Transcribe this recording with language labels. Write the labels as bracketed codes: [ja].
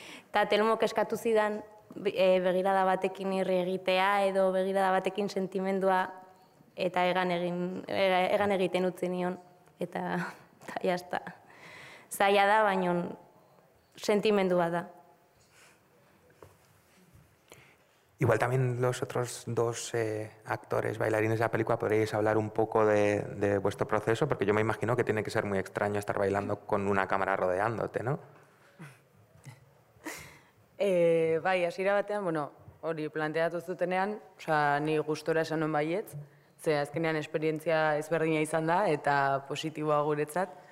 [eu] Ta Telmok eskatu zidan begirada batekin irri egitea edo begirada batekin sentimendua eta egan egiten utzi nion. Eta, jazta. Zaila da, baina sentimendu bat da. [es] Igual también los otros dos actores, bailarines de la película, podríais hablar un poco de vuestro proceso, porque yo me imagino que tiene que ser muy extraño estar bailando con una cámara rodeándote, ¿no? [eu] Bai, hasiera batean, bueno, hori planteatu zutenean, o sea, ni gustora esan non baietz, ze azkenean esperientzia ezberdina izan da, eta positiboa guretzat.